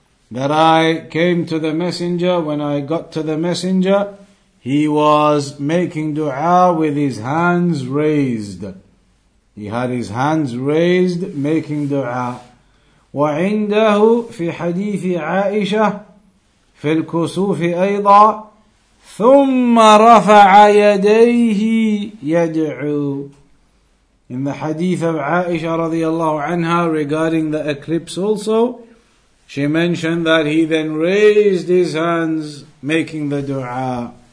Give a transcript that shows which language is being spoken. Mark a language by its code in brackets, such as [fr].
[en] That I came to the messenger, when I got to the messenger, he was making dua with his hands raised. He had his hands raised making dua. [ar] وعنده في حديث عائشة في الكسوف أيضا ثم رفع يديه يدعو. [en] In the hadith of Aisha radiallahu anha regarding the eclipse also, she mentioned that he then raised his hands making the dua.